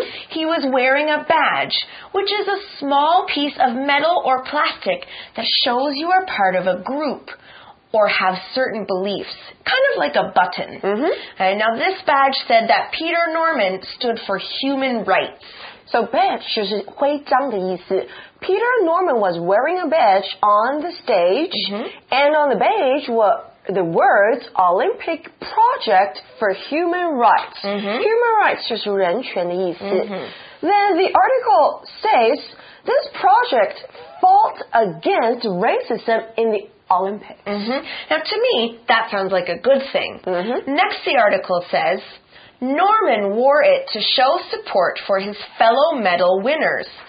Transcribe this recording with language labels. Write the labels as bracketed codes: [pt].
[en] he was wearing a badge, which is a small piece of metal or plastic that shows you are part of a group or have certain beliefs, kind of like a button. Okay, now, this badge said that Peter Norman stood for human rights. [zh] So, badge就是徽章的意思. [en] Peter Norman was wearing a badge on the stage, and on the badge were the words Olympic Project for Human Rights. [zh] Human rights就是人权的意思. [en] Then, the article says, this project fought against racism in the Olympics. Now, to me, that sounds like a good thing. Next, the article says, Norman wore it to show support for his fellow medal winners.